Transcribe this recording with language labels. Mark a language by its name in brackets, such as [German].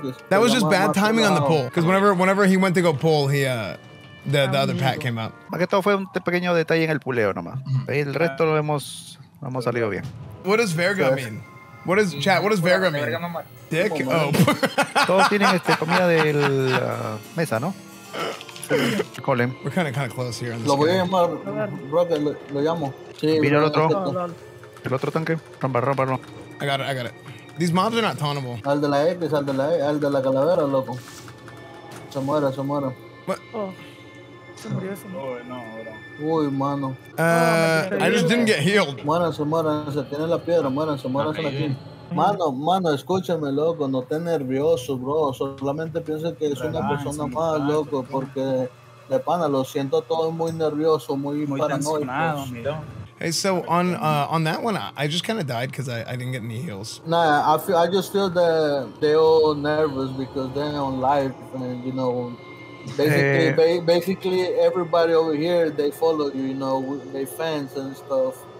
[English] That was just bad timing on the pull. Because whenever he went to go pull, the other pack came up. [Spanish] Más que todo fue un pequeño detalle en el puleo nomás. El resto lo hemos salido bien. [English] What does Verga mean? What does Verga mean? Dick? [Spanish] Todos tienen comida de la mesa, ¿no? Colin. [English] We're kind of close here. [Spanish] Lo voy a llamar, Roque, lo llamo. Sí, mira el otro tanque. Rompa. [English] I got it. These mobs are not tunable. [Spanish] Al de la X, al de la calavera, loco. Se muere. [English] What? Oh. Oh, no. [Spanish] Uy, mano. [English] I just didn't get healed. [Spanish] Muéranse, tiene la piedra, muéranse aquí. Mano, escúchame, loco, no estés nervioso, bro. Solamente piensa que es una persona más, loco, porque de pana lo siento todo muy nervioso, muy paranoico. [English] Hey, so on that one, I just kind of died because I didn't get any heals. Nah, I just feel that they're all nervous because they're on live, and you know, basically everybody over here, they follow you, you know, they fans and stuff.